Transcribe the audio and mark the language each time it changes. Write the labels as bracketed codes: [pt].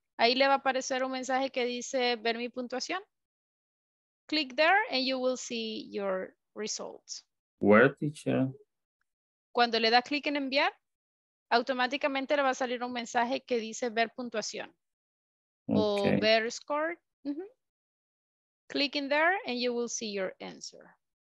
[es] Ahí le va a aparecer un mensaje que dice ver mi puntuación. [en] Click there and you will see your results. Where, teacher? [es] Cuando le da clic en enviar, automáticamente le va a salir un mensaje que dice ver puntuación. Okay. O ver score. Mm-hmm. [en] Click in there and you will see your answer.